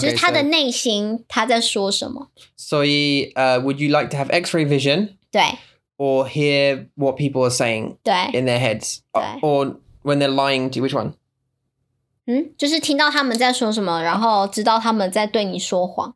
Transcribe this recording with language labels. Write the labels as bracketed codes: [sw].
[zh] 就是他的内心他在说什么所以、 [en] would you like to have X-ray vision [zh] 对 [en] or hear what people are saying [zh] 对 [en] in their heads or when they're lying to you, which one [zh] 嗯，就是听到他们在说什么，然后知道他们在对你说谎。